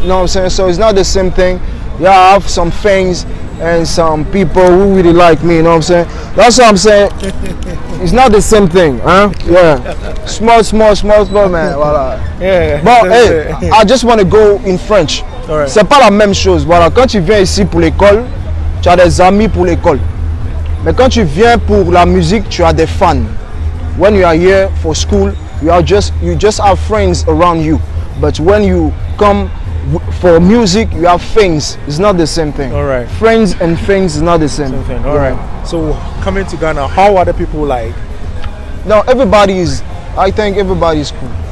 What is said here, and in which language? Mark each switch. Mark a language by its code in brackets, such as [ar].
[en] You know what I'm saying? So it's not the same thing. Yeah, I have some fans and some people who really like me, you know what I'm saying? That's what I'm saying. It's not the same thing, huh? Yeah. Small, man. Voilà. Yeah. But hey, I just want to go in French. All right. [fr] C'est pas la même chose. Voilà. Quand tu viens ici pour l'école, tu as des amis pour l'école. Mais quand tu viens pour la musique, tu as des fans. [en] When you are here for school, you just have friends around you. But when you come for music, you have friends. It's not the same thing. All right. Friends and fans is not the same thing. All right. So coming to Ghana, how are the people like? Now everybody is, I think everybody is cool.